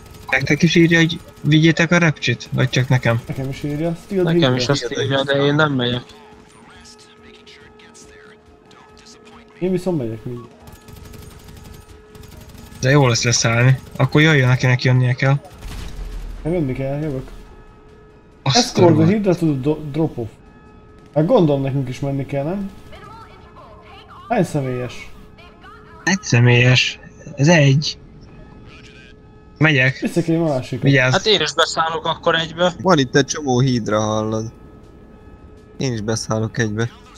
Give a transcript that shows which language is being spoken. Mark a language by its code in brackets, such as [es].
[hu] Nektek is írja, hogy vigyétek a repcsit? Vagy csak nekem? Nekem is írja. [en] Steal the hidra. [hu] Nekem is azt írja, de én nem megyek. Én viszont megyek mindjárt. De jó lesz leszállni. Akkor jöjjön, akinek jönnie kell. Jönni kell, jövök. [en] Escort the Hydra to the drop off. [hu] Hát gondolom nekünk is menni kell, nem? Hány személyes? Egy személyes. Ez egy. Megyek. Vissza kell egy másikra. Vigyázz. Hát én is beszállok akkor egybe. Van itt egy csomó Hydra, hallod. Én is beszállok egybe.